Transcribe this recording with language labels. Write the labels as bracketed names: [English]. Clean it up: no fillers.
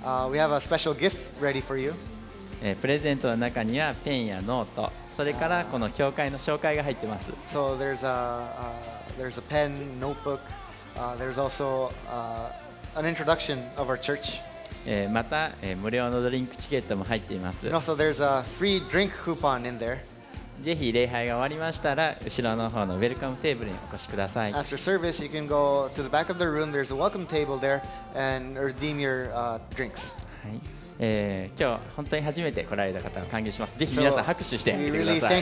[English] We have a special gift ready for you. [Japanese] プレゼントの中にはペンやノート、それからこの教会の紹介が入っています。 [English] So there's a, there's a pen, notebook, there's also an introduction of our church. [Japanese] また、無料のドリンクチケットも入っています。 [English] And also there's a free drink coupon in there. [Japanese] ぜひ礼拝が終わりましたら後ろの方のウェルカムテーブルにお越しください。 [English] After service, you can go to the back of the room. There's a welcome table there and redeem your drinks. [Japanese] はい。今日本当に初めて来られた方を歓迎します。ぜひ皆さん拍手してみてください。